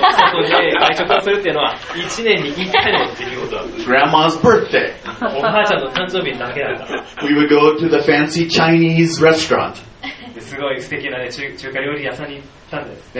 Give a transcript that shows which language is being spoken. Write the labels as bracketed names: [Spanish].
[Japanese] 外で外食をするっていうのは1年に1回の出来事だった。 [English] Grandma's birthday. [Japanese] おばあちゃんの誕生日だけだった。 [English] We would go to the fancy Chinese restaurant. [Japanese] すごい素敵な、ね、中華料理屋さんに行ったんです。